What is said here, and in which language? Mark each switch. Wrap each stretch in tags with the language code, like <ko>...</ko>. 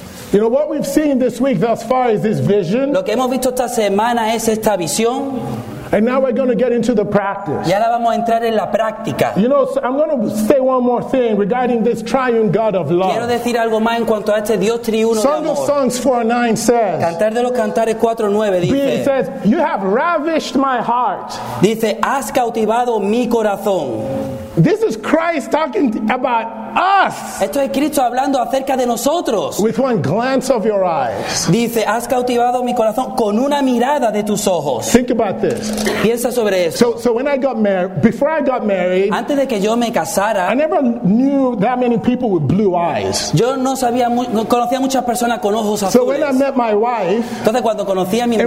<en>You know what we've seen this week thus far is this vision.</en> <es>Lo que hemos visto esta semana es esta visión.</es> <en>And now we're going to get into the practice.</en> <es>Y ahora vamos a entrar en la práctica.</es> <en>You know, so I'm going to say one more thing regarding this triune God of love.</en> <es>Quiero decir algo más en cuanto a este Dios triuno</es> <en>Song</en> <es>de amor.</es> <en>Song of Songs 4:9 says.</en> <es>Cantar de los Cantares 4:9 dice.</es> <en>It says, "You have ravished my heart."</en> <es>Dice, "Has cautivado mi corazón."</es> <en>This is Christ talking about us.</en> <es>Esto es Cristo hablando acerca de nosotros.</es> <en>With one glance of your eyes.</en> <es>Dice, has cautivado mi corazón con una mirada de tus ojos.</es> <en>Think about this.</en> <es>Piensa sobre esto.</es> <en>So when I got married, before I got married,</en> <es>antes de que yo me casara,</es> <en>I never knew that many people with blue eyes.</en> <es>Yo no sabía, no conocía muchas personas con ojos azules.</es> <en>So when I met my wife,</en> <es>entonces cuando conocí a mi mujer,</es>